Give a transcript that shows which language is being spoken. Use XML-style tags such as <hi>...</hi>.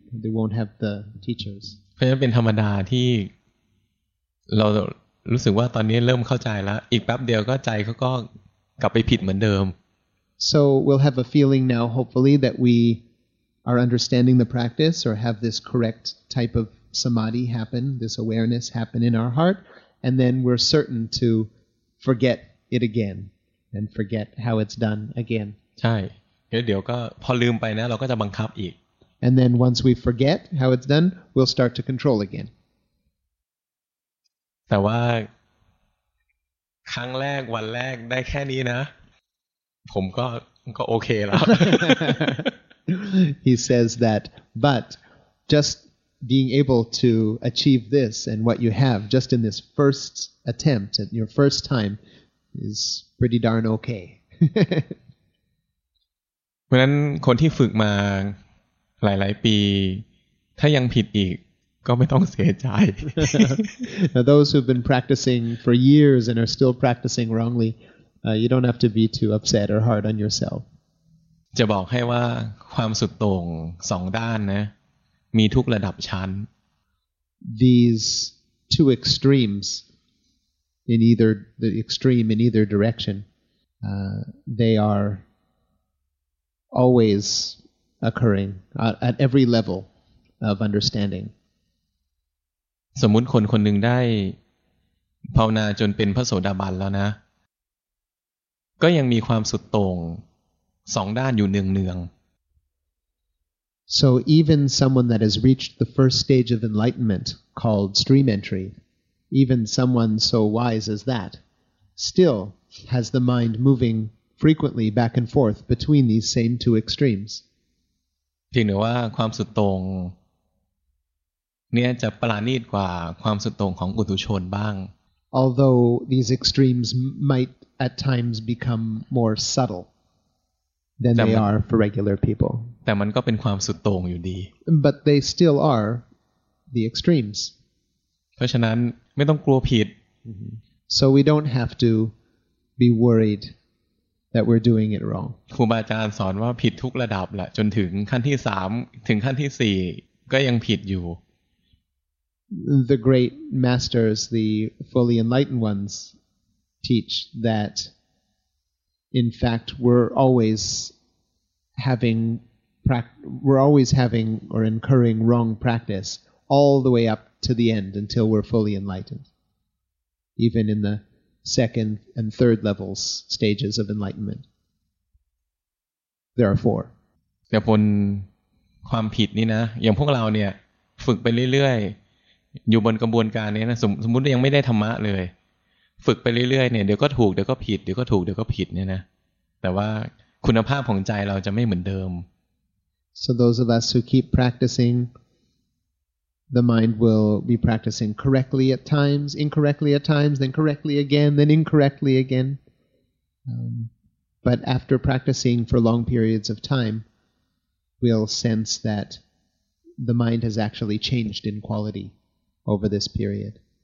<en>We won't have the teachers.</en> <th>เพราะฉะนั้นเป็นธรรมดาที่เรารู้สึกว่าตอนนี้เริ่มเข้าใจแล้วอีกแป๊บเดียวก็ใจเขาก็กลับไปผิดเหมือนเดิม</th> <en>So we'll have a feeling now, hopefully, that we are understanding the practice or have this correct type ofSamadhi happen, this awareness happen in our heart, and then we're certain to forget it again and forget how it's done again.</en> <th>ใช่เดี๋ยวก็พอลืมไปนะเราก็จะบังคับอีก</th> <en>And then once we forget how it's done, we'll start to control again.</en> <th>แต่ว่าครั้งแรกวันแรกได้แค่นี้นะผมก็โอเคแล้ว</th> <en>He says that, but justBeing able to achieve this and what you have just in this first attempt at your first time is pretty darn okay.</en> <th>เพราะนั้นคนที่ฝึกมาหลายๆปีถ้ายังผิดอีกก็ไม่ต้องเสียใจ</th> <en>Now those who've been practicing for years and are still practicing wrongly, you don't have to be too upset or hard on yourself.</en> <th>จะบอกให้ว่าความสุดโต่งสองด้านนะมีทุกระดับชั้น</th> <en>These two extremes in either the extreme in either direction they are always occurring at every level of understanding</en> <th>สมมุติคนคนหนึ่งได้ภาวนาจนเป็นพระโสดาบันแล้วนะก็ยังมีความสุดโต่งสองด้านอยู่เนืองๆ</th> <en>So even someone that has reached the first stage of enlightenment called stream entry, even someone so wise as that, still has the mind moving frequently back and forth between these same two extremes.</en> <th>เพียงแต่ว่าความสุดโต่งเนี่ยจะประณีตกว่าความสุดโต่งของปุถุชนบ้าง</th> <en>Although these extremes might at times become more subtle than they are for regular people.</en> <th>แต่มันก็เป็นความสุดโต่งอยู่ดี</th> <en>But they still are the extremes.</en> <th>เพราะฉะนั้นไม่ต้องกลัวผิด</th> <en>So we don't have to be worried that we're doing it wrong.</en> <th>ครูบาอาจารย์สอนว่าผิดทุกระดับแหละจนถึงขั้นที่3ถึงขั้นที่4ก็ยังผิดอยู่</th> <en>The great masters, the fully enlightened ones, teach that in fact we're always havingWe're always having or incurring wrong practice all the way up to the end until we're fully enlightened. Even in the second and third levels stages of enlightenment, there are four.</en> <th>แต่บนความผิดนี่นะอย่างพวกเราเนี่ยฝึกไปเรื่อยๆอยู่บนกระบวนการนี้นะสมมติยังไม่ได้ธรรมะเลยฝึกไปเรื่อยๆเนี่ยเดี๋ยวก็ถูกเดี๋ยวก็ผิดเดี๋ยวก็ถูกเดี๋ยวก็ผิดเนี่ยนะแต่ว่าคุณภาพของใจเราจะไม่เหมือนเดิม</th> <en>So those of us who keep practicing, the mind will be practicing correctly at times, incorrectly at times, then correctly again, then incorrectly again. But after practicing for long periods of time, we'll sense that the mind has actually changed in quality over this period.</en>